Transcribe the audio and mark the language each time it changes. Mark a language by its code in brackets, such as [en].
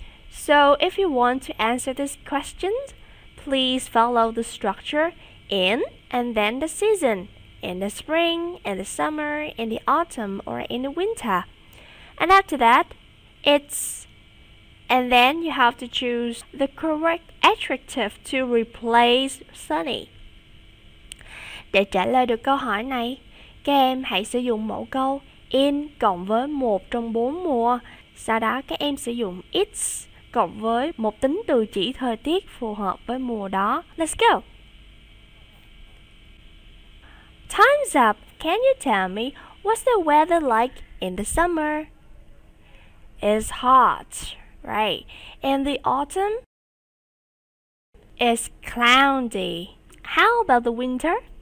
[en] So if you want to answer this question, please follow the structure in and then the season. In the spring, in the summer, in the autumn, or in the winter. And after that, it's... And then you have to choose the correct adjective to replace sunny. [vi] Để trả lời được câu hỏi này, các em hãy sử dụng mẫu câu in cộng với một trong bốn mùa. Sau đó các em sử dụng it's cộng với một tính từ chỉ thời tiết phù hợp với mùa đó. [en] Let's go! Time's up. Can you tell me what's the weather like in the summer? It's hot, right? In the autumn? It's cloudy. How about the winter?